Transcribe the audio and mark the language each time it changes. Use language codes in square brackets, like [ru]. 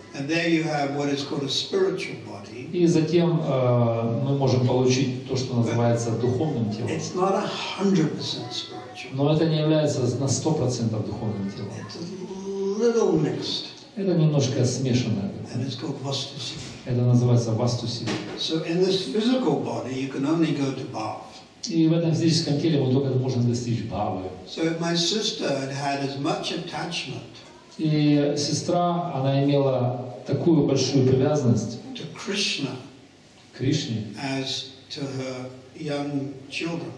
[en] And there you have what is called a spiritual body. [ru] И затем мы можем получить то, что называется духовным телом. [en] It's not 100% spiritual. [ru] Но это не является на 100% духовным телом. [en] It's a little mixed. [ru] Это немножко смешанное. [en] And it's called vastusi. [ru] Это называется vastusi. [en] So in this physical body, you can only go to Bhav. [ru] И в этом физическом теле мы только можем достичь Бхавы. [en] So if my sister had as much attachment. [ru] И сестра, она имела такую большую привязанность. [en] To Krishna. [ru] Кришне. [en] As to her young children.